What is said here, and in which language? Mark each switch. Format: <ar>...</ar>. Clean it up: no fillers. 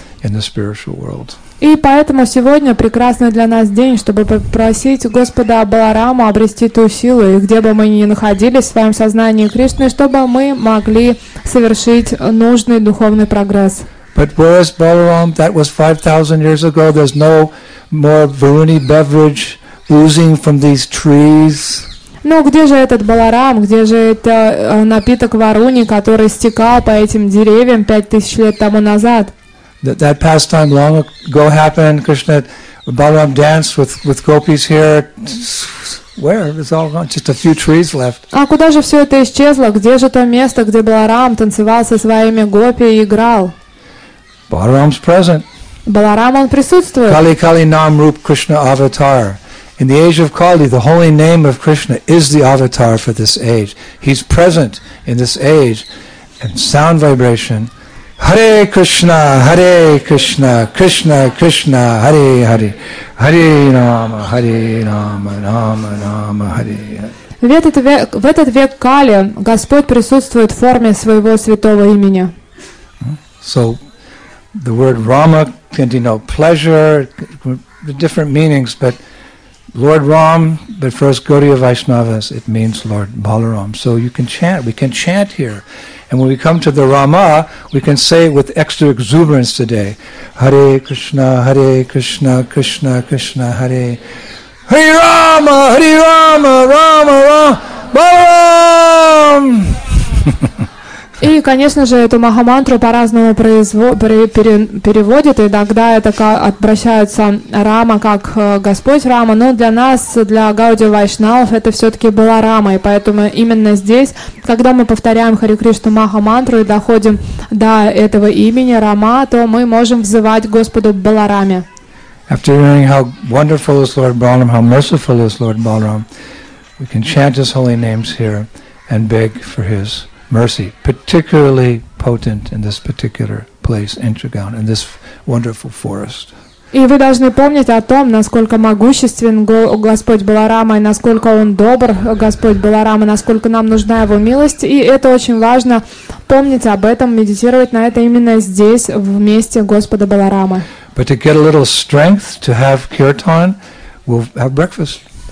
<en>in the spiritual world.</en> <ru>И поэтому сегодня прекрасный для нас день, чтобы попросить Господа Балараму обрести ту силу, и где бы мы ни находились в своем сознании Кришны, чтобы мы могли совершить нужный духовный прогресс.</ru> <en>But whereas Balaram, that was 5,000 years ago, there's no more Varuni beverage oozing from these trees.</en> <ru>Ну где же этот Баларам, где же это напиток Варуни, который стекал по этим деревьям 5,000 лет тому назад?</ru> <en>That pastime long ago happened, Krishna, Balaram danced with gopis here. Where? It's all gone. Just a few trees left.</en> <ru>А куда же все это исчезло? Где же то место, где Баларам танцевал со своими гопи и играл?</ru> <en>Balaram's present.</en> <ru>Баларам, он присутствует.</ru> <sa>Kali Kali Nam Rup Krishna Avatar.</sa> <en>In the age of Kali, the holy name of Krishna is the avatar for this age. He's present in this age. And sound vibration.</en> <sa>Hare Krishna, Hare Krishna, Krishna Krishna, Hare Hare. Hare Rama, Hare Rama, Rama Rama, Hare Hare.</sa> <ru>В этот век Кали Господь присутствует в форме своего святого имени.</ru> <en>So, the word Rama can denote pleasure, different meanings, but Lord Ram, but first Gaudiya Vaishnavas, it means Lord Balaram. So you can chant, we can chant here. And when we come to the Rama, we can say it with extra exuberance today.</en> <sa>Hare Krishna, Krishna Krishna, Hare. Hare Rama, Rama, Rama, Balaram!</sa> <ru>И, конечно же, эту махамантру по-разному переводят, иногда это обращается Рама как Господь Рама, но для нас, для Гауди Вайшнавов, это все-таки была Рама, и поэтому именно здесь, когда мы повторяем Хари Кришну Махамантру и доходим до этого имени Рама, то мы можем взывать Господу Балараме.</ru> <en>After hearing how wonderful is Lord Balaram, how merciful is Lord Balaram, we can chant his holy names here and beg for his mercy, particularly potent in this particular place, Intragaon, in this wonderful forest.</en> <ru>И вы должны помнить о том, насколько могуществен Господь Баларама, и насколько он добр, Господь Баларама, насколько нам нужна его милость, и это очень важно помнить об этом, медитировать на это именно здесь, в месте Господа Баларамы.</ru> <en>But to get a little strength to have kirtan, we'll have breakfast.</en>